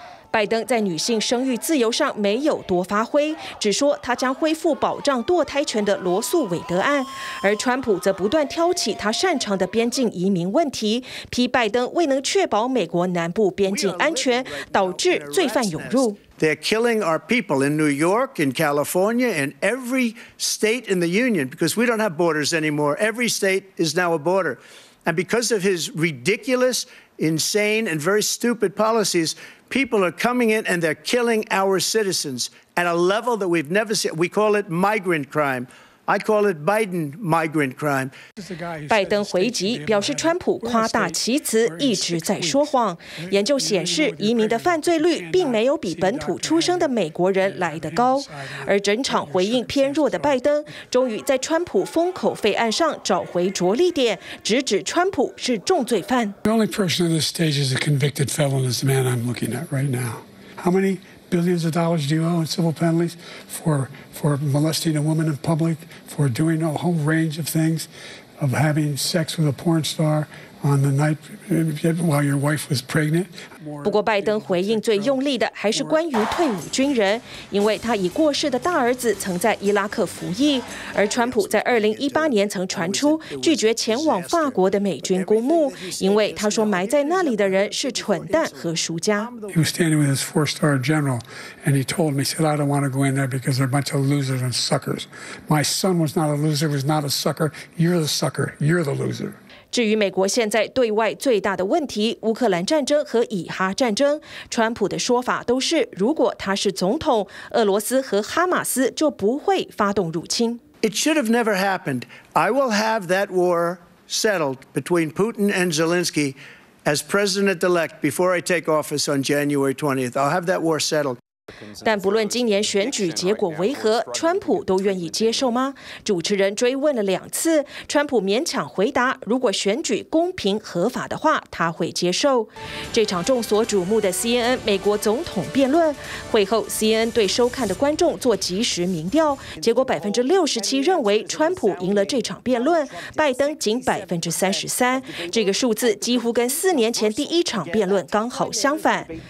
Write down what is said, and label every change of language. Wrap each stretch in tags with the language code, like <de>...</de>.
<zh>拜登在女性生育自由上没有多发挥，只说他将恢复保障堕胎权的罗素韦德案，而川普则不断挑起他擅长的边境移民问题，批拜登未能确保美国南部边境安全，导致罪犯涌入。</zh> <en>They're killing our people in New York, in California, in every state in the union because we don't have borders anymore. Every state is now a border. And because of his ridiculous, insane, and very stupid policies, people are coming in and they're killing our citizens at a level that we've never seen. We call it migrant crime. I call it Biden migrant crime.</en> <zh>拜登回击，表示川普夸大其词，一直在说谎。研究显示，移民的犯罪率并没有比本土出生的美国人来得高。而整场回应偏弱的拜登，终于在川普封口费案上找回着力点，直指川普是重罪犯。</zh> <en>The only person on this stage is a convicted felon. This man I'm looking at right now. How many? Billions of dollars do you owe in civil penalties for molesting a woman in public, for doing a whole range of things, of having sex with a porn star on the night while your wife was pregnant?</en> <zh>不过拜登回应最用力的还是关于退伍军人，因为他已过世的大儿子曾在伊拉克服役，而川普在2018年曾传出拒绝前往法国的美军公墓，因为他说埋在那里的人是蠢蛋和输家。</zh> <en>He was standing with his four-star general, and he told me, "said I don't want to go in there because they're a bunch of losers and suckers. My son was not a loser, was not a sucker. You're the sucker. You're the loser."</en> <zh>至于美国现在对外最大的问题，乌克兰战争和以哈战争，川普的说法都是，如果他是总统，俄罗斯和哈马斯就不会发动入侵。</zh> <en>It should have never happened. I will have that war settled between Putin and Zelensky as president-elect before I take office on January 20th. I'll have that war settled.</en> <zh>但不论今年选举结果为何，川普都愿意接受吗？主持人追问了两次，川普勉强回答，如果选举公平合法的话，他会接受。这场众所瞩目的 CNN 美国总统辩论会后， CNN 对收看的观众做即时民调，结果67%认为川普赢了这场辩论，拜登仅33%，这个数字几乎跟4年前第一场辩论刚好相反。</zh>